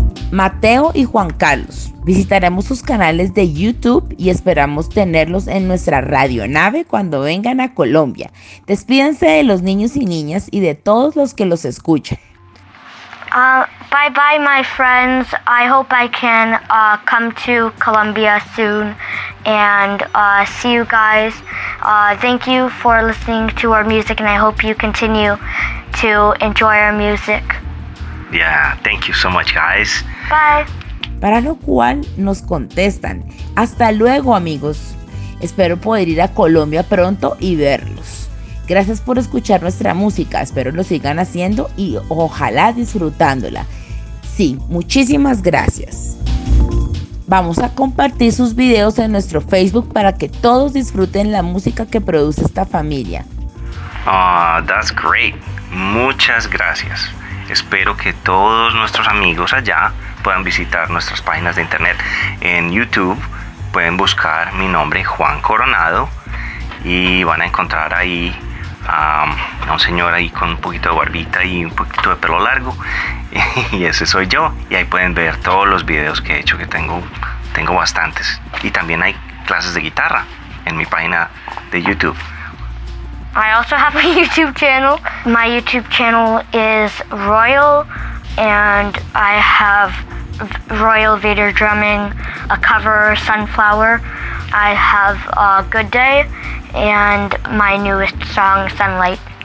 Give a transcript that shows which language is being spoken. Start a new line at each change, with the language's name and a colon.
Spanish: Mateo y Juan Carlos, visitaremos sus canales de YouTube y esperamos tenerlos en nuestra radionave cuando vengan a Colombia. Despídense de los niños y niñas y de todos los que los escuchan.
English: Bye bye, my friends. I hope I can come to Colombia soon and see you guys. Thank you for listening to our music and I hope you continue to enjoy our music. Yeah, thank you so much, guys. Bye.
Spanish: Para lo cual nos contestan, hasta luego, amigos. Espero poder ir a Colombia pronto y verlos. Gracias por escuchar nuestra música. Espero lo sigan haciendo y ojalá disfrutándola. Sí, muchísimas gracias. Vamos a compartir sus videos en nuestro Facebook para que todos disfruten la música que produce esta familia.
English: Ah, that's great. Muchas gracias.
Spanish: Espero que todos nuestros amigos allá puedan visitar nuestras páginas de internet. En YouTube pueden buscar mi nombre, Juan Coronado, y van a encontrar ahí a un señor ahí con un poquito de barbita y un poquito de pelo largo, y ese soy yo, y ahí pueden ver todos los videos que he hecho, que tengo bastantes, y también hay clases de guitarra en mi página de YouTube.
English: I also have a YouTube channel. My YouTube channel is Royal, and I have Royal Vader Drumming, a cover Sunflower. I have a Good Day and my newest song, Sunlight.